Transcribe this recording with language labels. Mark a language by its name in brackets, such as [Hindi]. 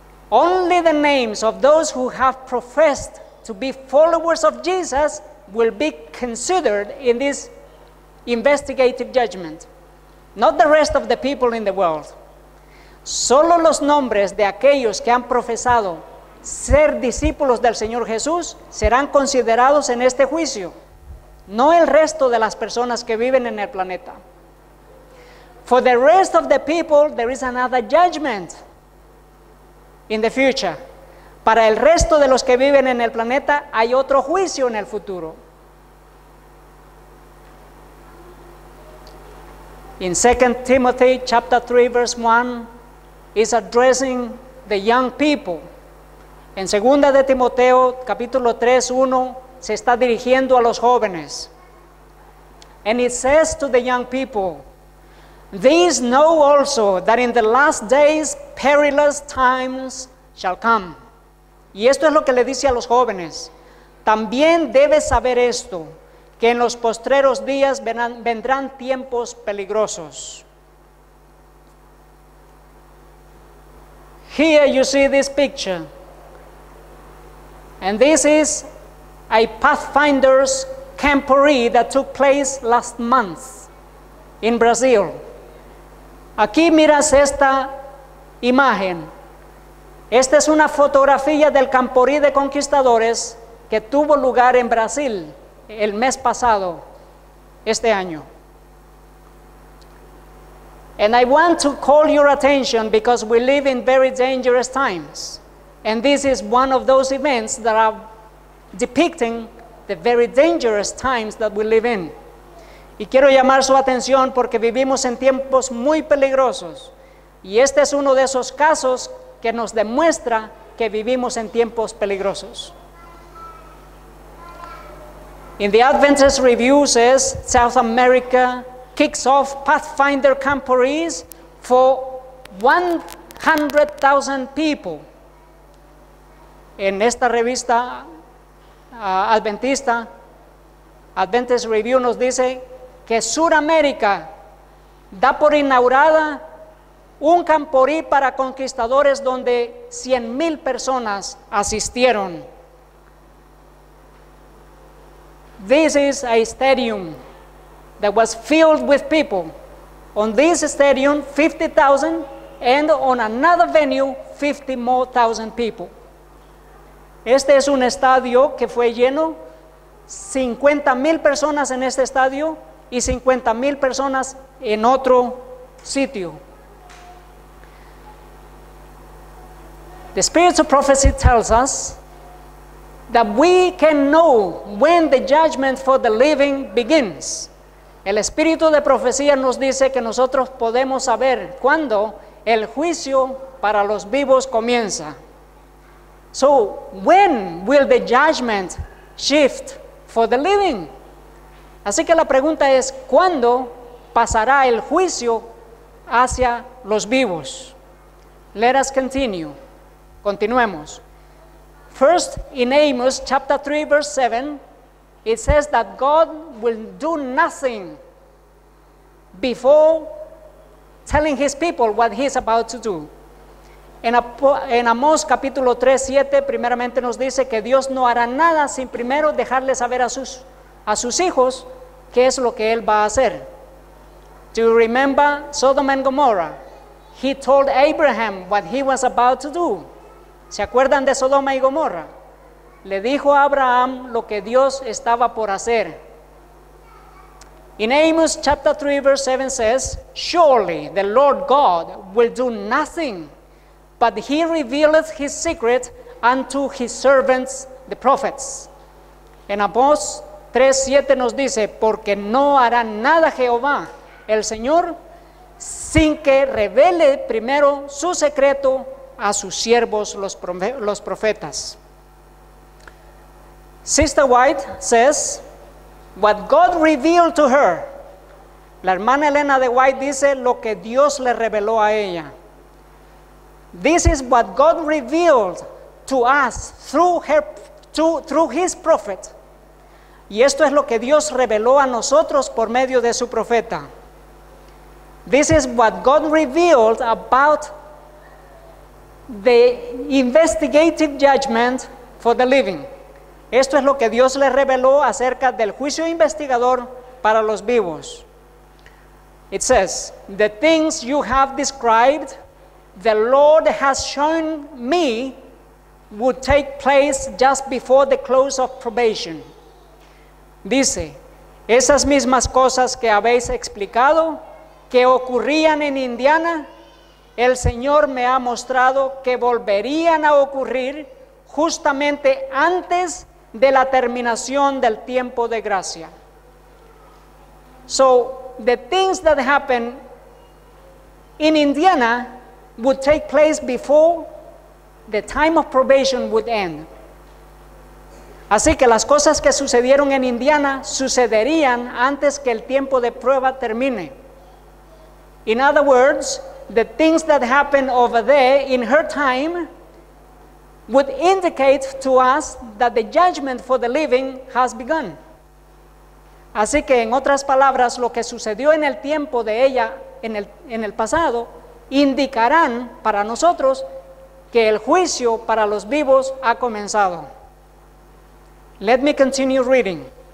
[English] Only the names of those who have professed to be followers of Jesus will be considered in this investigative judgment, not the rest of the people in the world. [Spanish] Solo los nombres de aquellos que han profesado ser discípulos del Señor Jesús serán considerados en este juicio, no el resto de las personas que viven en el planeta. [English] For the rest of the people, there is another judgment in the future. [Spanish] Para el resto de los que viven en el planeta, hay otro juicio en el futuro. [English] In 2 Timothy chapter 3, verse 1, is addressing the young people. [Spanish] En 2 de Timoteo, capítulo 3, 1, se está dirigiendo a los jóvenes. [English] And it says to the young people, these know also that in the last days perilous times shall come. [Spanish] Y esto es lo que le dice a los jóvenes. También debes saber esto, que en los postreros días vendrán tiempos peligrosos. [English] Here you see this picture. And this is a Pathfinder's camporee that took place last month in Brazil. [Spanish] Aquí miras esta imagen. Esta es una fotografía del camporí de conquistadores que tuvo lugar en Brasil el mes pasado, este año. [English] And I want to call your attention because we live in very dangerous times. And this is one of those events that are depicting the very dangerous times that we live in. [Spanish] Y quiero llamar su atención porque vivimos en tiempos muy peligrosos. Y este es uno de esos casos que nos demuestra que vivimos en tiempos peligrosos. [English] In the Adventist Review says, South America kicks off Pathfinder camporees for 100,000 people. [Spanish] En esta revista adventista, Adventist Review nos dice que Suramérica da por inaugurada un camporí para conquistadores donde 100,000 personas asistieron. [English] This is a stadium that was filled with people. On this stadium, 50,000, and on another venue, 50,000 more people. [Spanish] Este es un estadio que fue lleno, 50,000 personas en este estadio y 50,000 personas en otro sitio. [English] The spirit of prophecy tells us that we can know when the judgment for the living begins. [Spanish] El espíritu de profecía nos dice que nosotros podemos saber cuándo el juicio para los vivos comienza. [English] So, when will the judgment shift for the living? [Spanish] Así que la pregunta es, ¿cuándo pasará el juicio hacia los vivos? [English] Let us continue. [Spanish] Continuemos. [English] First, in Amos chapter 3, verse 7, it says that God will do nothing before telling his people what he is about to do. [Spanish] En Amos capítulo 3, 7, primeramente nos dice que Dios no hará nada sin primero dejarle saber a sus hijos qué es lo que él va a hacer. [English] Do you remember Sodom and Gomorrah? He told Abraham what he was about to do. [Spanish] ¿Se acuerdan de Sodoma y Gomorra? Le dijo a Abraham lo que Dios estaba por hacer. [English] In Amos chapter 3 verse 7 says, surely the Lord God will do nothing, but he revealeth his secret unto his servants, the prophets. [Spanish] En Amos 3, 7 nos dice, porque no hará nada Jehová, el Señor, sin que revele primero su secreto a sus siervos, los profetas. [English] Sister White says, what God revealed to her. [Spanish] La hermana Elena de White dice, lo que Dios le reveló a ella. [English] This is what God revealed to us through his prophet. [Spanish] Y esto es lo que Dios reveló a nosotros por medio de su profeta. [English] This is what God revealed about the investigative judgment for the living. [Spanish] Esto es lo que Dios le reveló acerca del juicio investigador para los vivos. [English] It says, the things you have described, the Lord has shown me, would take place just before the close of probation. [Spanish] Dice, esas mismas cosas que habéis explicado, que ocurrían en Indiana, el Señor me ha mostrado que volverían a ocurrir justamente antes de la terminación del tiempo de gracia. [English] So, the things that happen in Indiana would take place before the time of probation would end. [Spanish] Así que las cosas que sucedieron en Indiana sucederían antes que el tiempo de prueba termine. [English] In other words, the things that happen over there in her time would indicate to us that the judgment for the living has begun. [Spanish] Así que en otras palabras, lo que sucedió en el tiempo de ella en el pasado indicarán para nosotros que el juicio para los vivos ha comenzado. [English] Let me continue reading.